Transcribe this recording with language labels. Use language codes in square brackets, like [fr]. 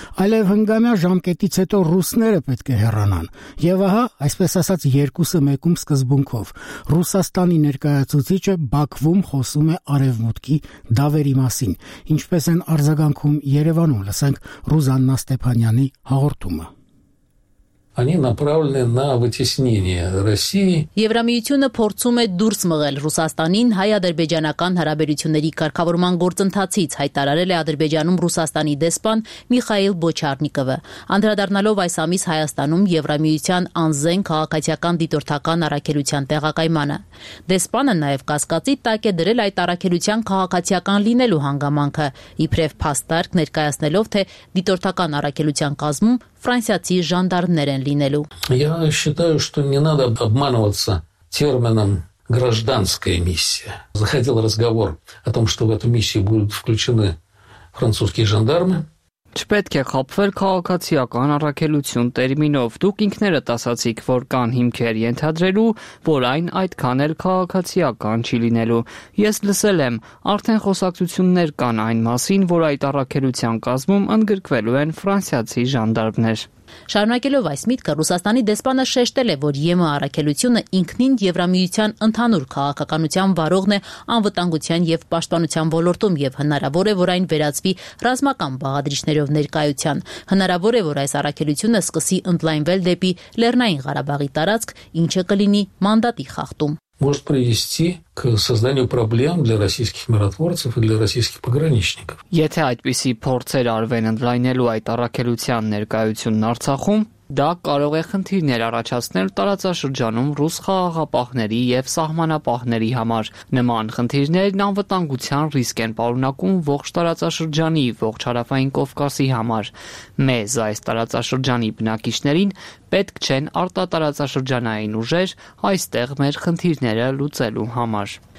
[hy] այլև հնգամյա ժամկետից հետո ռուսները պետք է հեռանան։ Եվ ահա, այսպես ասած, երկուսը մեկում սկզբունքով Ռուսաստանի ներկայացուցիչը Բաքվում խոսում է արևմուտքի դավերի մասին, ինչպես են արձագանքում Երևանում, լսենք Ռուզաննա Ստեփանյանի հաղորդումը։ [ru] Они направлены на вытеснение России. [hy] Եվրամիությունը փորձում է դուրս մղել Ռուսաստանին հայ-ադրբեջանական հարաբերությունների կարգավորման գործընթացից, հայտարարել է Ադրբեջանում Ռուսաստանի դեսպան Միխայել Բոչարնիկովը։ Անդրադառնալով այս ամիս Հայաստանում Եվրամիության անզեն քաղաքացիական դիտորդական առաքելության տեղակայմանը, դեսպանը նաև կասկածի տակ է դրել այդ առաքելության քաղաքացիական լինելու հանգամանքը, իբրև փաստարկ ներկայացնելով, թե դիտորդական առաքելության կազմում ֆրանսիացի ժանդարմներ են լինելու։ [ru] Я считаю, что не надо обманываться термином гражданская миссия. Заходил разговор о том, что в эту миссию будут включены французские жандармы. [hy] Չպետք է խոփվել քաղաքացիական առաքելություն տերմինով։ Դուք ինքներդ ասացիք, որ կան հիմքեր ենթադրելու, որ այն այդքան էլ քաղաքացիական չի լինելու։ Ես լսել եմ, արդեն խոսակցություններ կան այն մասին, որ այդ առաքելության կազմում ընդգրկվելու են ֆրանսիացի ժանդարմներ։ Շարունակելով այս միտքը, Ռուսաստանի դեսպանը շեշտել է, որ ԵՄ առաքելությունը ինքնին Եվրամիության ընդհանուր քաղաքականության վարողն է անվտանգության եւ պաշտպանության ոլորտում եւ հնարավոր է, որ այն վերածվի ռազմական բաղադրիչներով ներկայության։ Հնարավոր է, որ այս առաքելությունը սկսի ընդլայնվել դեպի Լեռնային Ղարաբաղի տարածք, ինչը կլինի մանդատի խախտում։ [ru] Может привести к созданию проблем для российских миротворцев и для российских пограничников. [hy] Եթե այդպիսի փորձեր արվեն ընդլայնելու այդ առաքելության ներկայությունն Արցախում, դա կարող է խնդիրներ առաջացնել տարածաշրջանում ռուս խաղաղապահների եւ սահմանապահների համար։ Նման խնդիրներն անվտանգության ռիսկ են պարունակում ողջ տարածաշրջանի, ողջ հարավային Կովկասի համար։ Մեզ այս տարածաշրջանի բնակիչներին պետք չեն արտատարածաշրջանային ուժեր այստեղ մեր խնդիրները լուծելու համար։